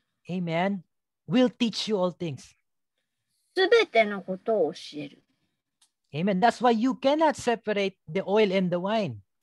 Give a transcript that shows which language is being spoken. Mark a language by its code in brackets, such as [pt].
[en] Amen, will teach you all things. [ja] すべてのことを教える。 [en] Amen. That's why you cannot separate the oil and the wine.